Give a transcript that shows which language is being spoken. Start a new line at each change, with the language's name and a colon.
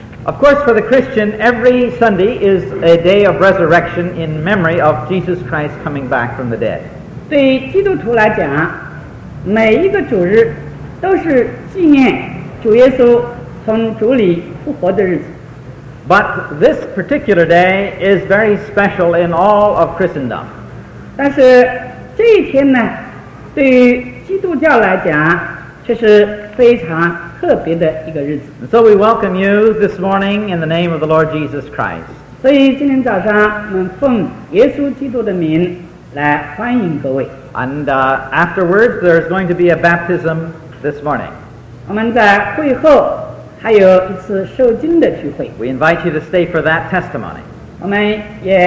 English: Of course, for the Christian, every Sunday is a day of resurrection in memory of Jesus Christ coming back from the dead.
Chinese: 对基督徒来讲，每一个主日都是纪念主耶稣从主里复活的日子。But
English: this particular day is very special in all of Christendom.
Chinese: 但是这一天呢，对于基督教来讲，却是非常。
English: So we welcome you this morning in the name of the Lord Jesus Christ. And afterwards, there is going to be a baptism this morning. We invite you to stay for that testimony.